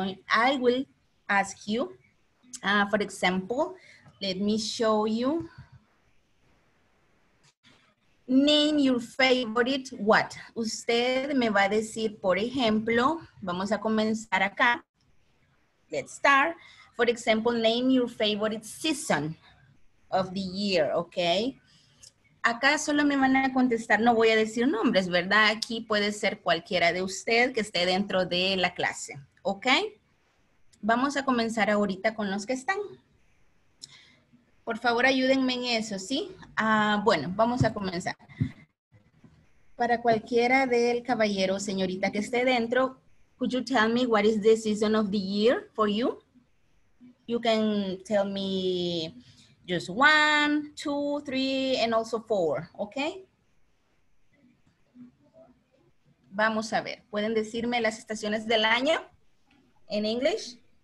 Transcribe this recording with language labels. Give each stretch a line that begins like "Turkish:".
English: I will ask you, for example, let me show you. Name your favorite what?
Spanish: Usted me va a decir, por ejemplo, vamos a comenzar acá.
English: Let's start. For example, name your favorite season of the year, okay?
Spanish: Acá solo me van a contestar, no voy a decir nombres, ¿verdad? Aquí puede ser cualquiera de usted que esté dentro de la clase, ¿ok? Vamos a comenzar ahorita con los que están. Por favor, ayúdenme en eso, ¿sí? Bueno, vamos a comenzar. Para cualquiera del caballero o señorita que esté dentro,
English: could you tell me what is the season of the year for you? You can tell me. Just one, two, three, and also four, okay?
Spanish: Vamos a ver. ¿Pueden decirme las estaciones del año en English?